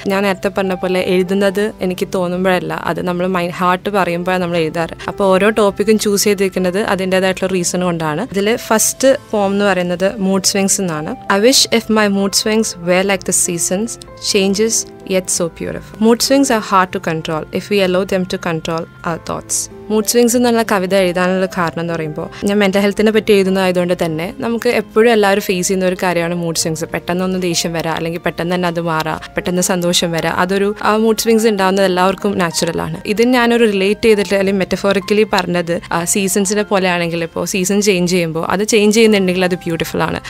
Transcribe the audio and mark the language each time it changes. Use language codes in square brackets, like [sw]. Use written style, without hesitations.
[ml] ഞാൻ നേരത്തെ പറഞ്ഞ പോലെ എഴുതുന്നത് എനിക്ക് തോന്നുമ്പോഴല്ല, അത് നമ്മൾ മൈൻഡ് ഹാർട്ട് പറയുമ്പോഴാണ് നമ്മൾ എഴുതാറ്. അപ്പോൾ ഓരോ ടോപ്പിക്കും ചൂസ് ചെയ്തിരിക്കുന്നത് അതിൻ്റേതായിട്ടുള്ള റീസൺ കൊണ്ടാണ്. ഇതിൽ ഫസ്റ്റ് ഫോം എന്ന് പറയുന്നത് മൂഡ് സ്വിങ്സ് എന്നാണ്. [en] I wish if my mood swings were like the seasons changes yet so beautiful. Mood swings are hard to control if we allow them to control our thoughts. [ml] Mood swings എന്നുള്ള കവിത എഴുതാനുള്ള കാരണം എന്ന് പറയുമ്പോൾ, ഞാൻ mental ഹെൽത്തിനെ പറ്റി എഴുതുന്നതായതുകൊണ്ട് തന്നെ നമുക്ക് എപ്പോഴും എല്ലാവരും ഫേസ് ചെയ്യുന്ന ഒരു കാര്യമാണ് മൂഡ് സ്വിങ്സ്. പെട്ടെന്നൊന്ന് ദേഷ്യം വരാം, അല്ലെങ്കിൽ പെട്ടെന്ന് തന്നെ അത് മാറാം, പെട്ടെന്ന് സന്തോഷം വരാം, അതൊരു ആ മൂഡ് സ്വിങ്സ് ഉണ്ടാകുന്നത് എല്ലാവർക്കും നാച്ചുറലാണ്. ഇതിന് ഞാനൊരു റിലേറ്റ് ചെയ്തിട്ട് അല്ലെങ്കിൽ മെറ്റഫോറിക്കലി പറഞ്ഞത് സീസൺസിനെ പോലെയാണെങ്കിൽ, ഇപ്പോൾ സീസൺ ചേഞ്ച് ചെയ്യുമ്പോൾ അത് ചേഞ്ച് ചെയ്യുന്നുണ്ടെങ്കിൽ അത് ബ്യൂട്ടിഫുൾ ആണ്.